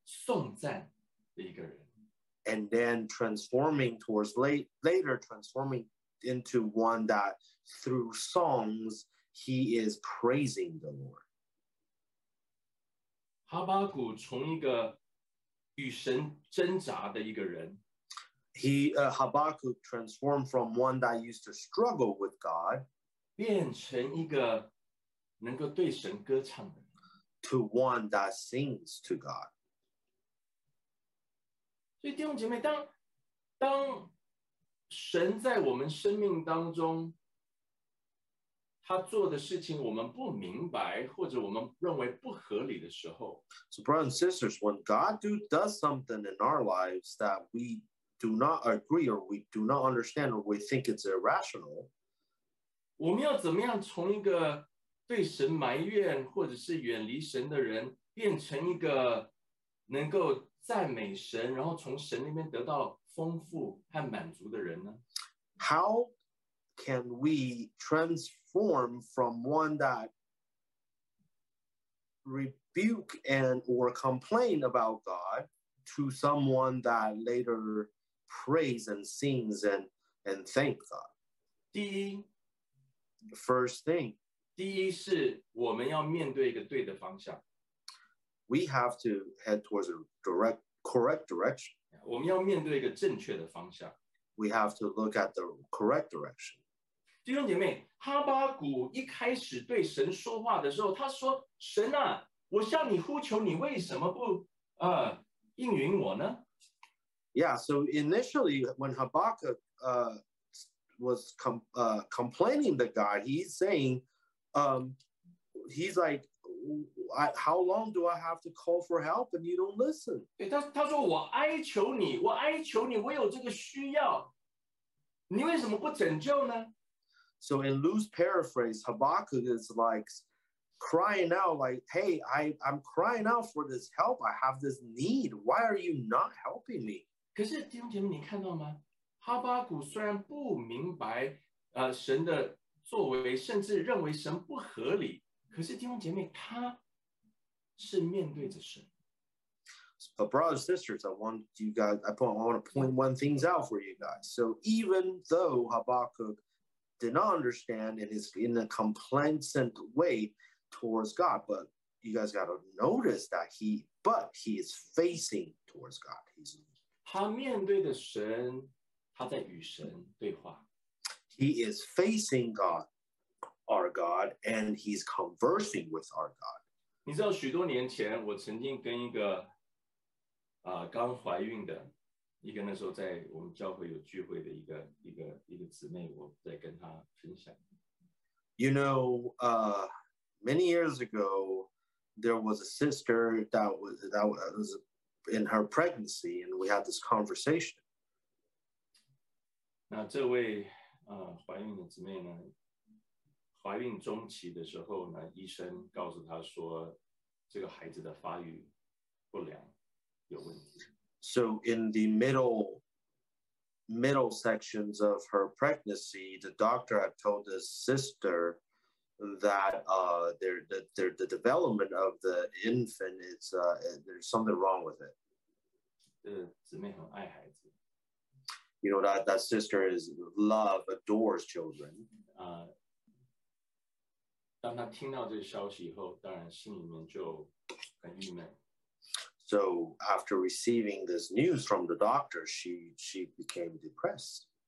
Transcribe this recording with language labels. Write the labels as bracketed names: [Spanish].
[Chinese] 变成一个借着诗歌他能够献上颂赞的一个人。 [English] And then transforming into one that through songs he is praising the Lord. Habakkuk transformed from one that used to struggle with God to one that sings to God. [Chinese] 所以弟兄姐妹，当神在我们生命当中他做的事情我们不明白或者我们认为不合理的时候， [English] So brothers and sisters, when God does something in our lives that we do not agree or we do not understand or we think it's irrational, [Chinese] 我们要怎么样从一个对神埋怨或者是远离神的人变成一个能够赞美神然后从神那边得到丰富和满足的人呢？ [English] How can we transform from one that rebuke and or complain about God to someone that later praise and sings and thank God? [Chinese] 第一 [English] The first thing. [Chinese] 第一是我们要面对一个对的方向。 [English] We have to head towards a correct direction. [Chinese] 我们要面对一个正确的方向。 [English] We have to look at the correct direction. [Chinese] 弟兄姐妹，哈巴谷一开始对神说话的时候，他说：“神啊，我向你呼求，你为什么不应允我呢？” [English] Yeah, so initially when Habakkuk was complaining to God, he's saying, he's like, how long do I have to call for help and you don't listen? [Chinese] 对，他说：“我哀求你，我哀求你，我有这个需要，你为什么不拯救呢？” [English] So in loose paraphrase, Habakkuk is like crying out like, hey, I'm crying out for this help. I have this need. Why are you not helping me? [Chinese] 可是弟兄姐妹你看到吗？哈巴谷虽然不明白神的作为甚至认为神不合理可是弟兄姐妹他是面对着神。 [English] But brothers and sisters, I want to point one thing out for you guys. So even though Habakkuk did not understand and is in a complacent way towards God. But you guys got to notice that he is facing towards God. He's, [Chinese] 他面对的神，他在与神对话。 [English] He is facing God, our God, and he's conversing with our God. [Chinese] 你知道许多年前我曾经跟一个刚怀孕的一个那时候在我们教会有聚会的一个姊妹，我在跟她分享。 [English] You know, many years ago, there was a sister that was in her pregnancy, and we had this conversation. [Chinese] 那这位怀孕的姊妹呢，怀孕中期的时候呢，医生告诉她说，这个孩子的发育不良，有问题。 [English] So in the middle sections of her pregnancy, the doctor had told his sister that the development of the infant, there's something wrong with it. [Chinese] 姊妹很爱孩子。 [English] You know, that sister is love, adores children. [Chinese] 当她听到这个消息以后，当然心里面就很郁闷。 [English] So after receiving this news from the doctor, she became depressed.